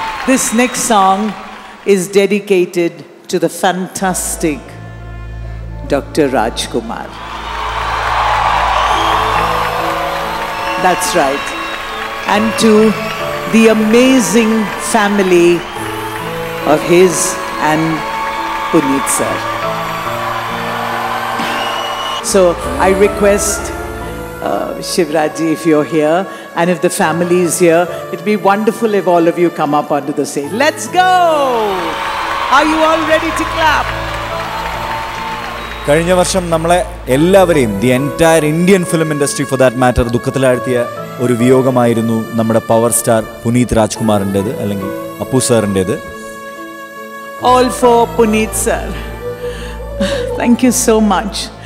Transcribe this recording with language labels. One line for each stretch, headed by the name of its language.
English: This next song is dedicated to the fantastic doctor Rajkumar. That's right. And to the amazing family of his and Puneet sir. So I request Shivraj ji, if you're here and if the family is here, it'd be wonderful if all of you come up onto the stage. Let's go. Are you all ready to clap?
Malayalam: കഴിഞ്ഞ വർഷം നമ്മളെ എല്ലാവരെയും,
English: the entire Indian film industry for that matter,
Malayalam: ദുഃഖത്തിലാഴ്ത്തിയ ഒരു വിയോഗമായിരുന്നു നമ്മുടെ power star Puneet രാജ്കുമാറിൻ്റെത്, അല്ലെങ്കിൽ Appu സാറിൻ്റെത്.
English: All for Puneet sir, thank you so much.